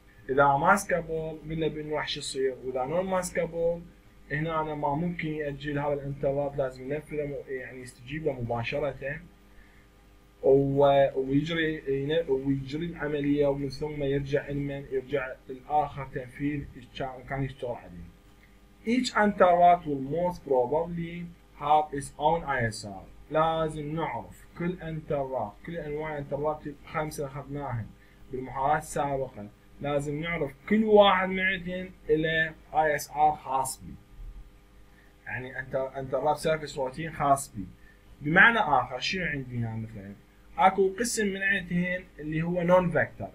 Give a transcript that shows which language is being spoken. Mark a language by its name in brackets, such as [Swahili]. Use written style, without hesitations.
[Arabic] اذا ماسكابل قلنا بانه راح يصير، واذا نون ماسكابل هنا أنا ما ممكن ياجل هذا الانتربت، لازم ينفذه يعني يستجيب له مباشره ويجري العمليه، ومن ثم يرجع الاخر تنفيذ كان يشتغل عليه. [English] Each interrupt will most probably have its own ISR. [Arabic] لازم نعرف كل interrupt، كل انواع interrupt الخمسة اللي اخذناها بالمحاضرات السابقة، لازم نعرف كل واحد منهم الى ISR خاص بي. يعني interrupt service routine خاص بي. بمعنى اخر شنو عندي هنا مثلا؟ اكو قسم من عندهم اللي هو نون فيكتور.